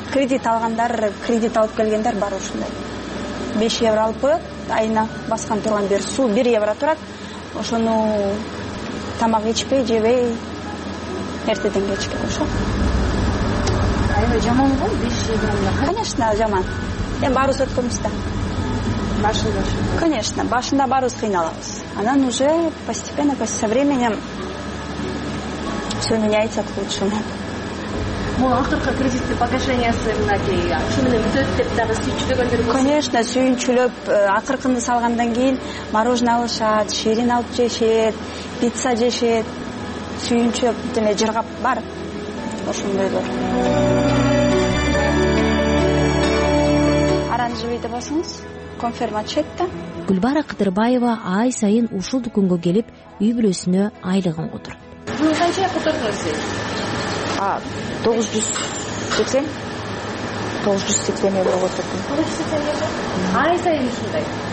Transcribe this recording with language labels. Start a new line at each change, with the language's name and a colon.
Kyrgyz: Кредит алгандар, кредит алып келгендер бар. Ушундай 5 евро алып коет айына, баскан турган бир суу 1 евро турат. Ошону тамак ичпей жебей эртеден кечке ошо. Аябай жаман го 5 евро. Конечно жаман, эми баарыбыз өткөнбүз да. Башында, конечно, башында баарыбыз кыйналабыз, анан
Russian: уже постепенно по со временем все меняется к лучшему.
Kyrgyz: Конечно, сүйүнчүлөп акыркыны салгандан кийин мороженое алышат, ширин алып жешет, пицца жешет, сүйүнчүлөп деме жыргап бар ошондойлор. Оранжевый деп алсаңыз конфермачетта. Гүлбара Кыдырбаева ай сайын ушул дүкөнгө келип үй бүлөсүнө айлыгын котур. Бул канча котордуңуз сиз? 980 980 евро котордум. Ай сайын ушундай.